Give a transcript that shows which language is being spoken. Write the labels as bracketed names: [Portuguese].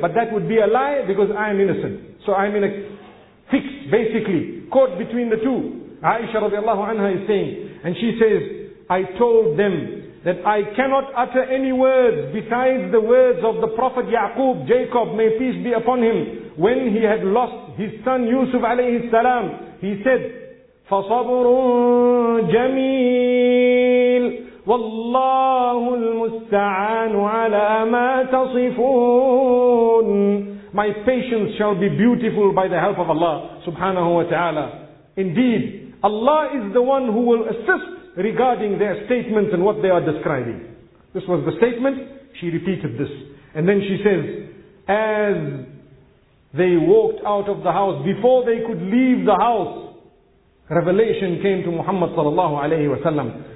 [English] But that would be a lie because I am innocent. So I'm in a fix, basically, caught between the two. Aisha radiallahu anha is saying, and she says, I told them, that I cannot utter any words besides the words of the Prophet Yaqub, Jacob, may peace be upon him, when he had lost his son Yusuf alayhi salam. He said, [Arabic] فَصَبْرٌ جَمِيلٌ وَاللَّهُ الْمُسْتَعَانُ عَلَىٰ مَا تَصِفُونَ. [English] My patience shall be beautiful by the help of Allah subhanahu wa ta'ala. Indeed, Allah is the one who will assist regarding their statements and what they are describing. This was the statement. She repeated this. And then she says, as they walked out of the house, before they could leave the house, revelation came to Muhammad sallallahu alayhi wa sallam.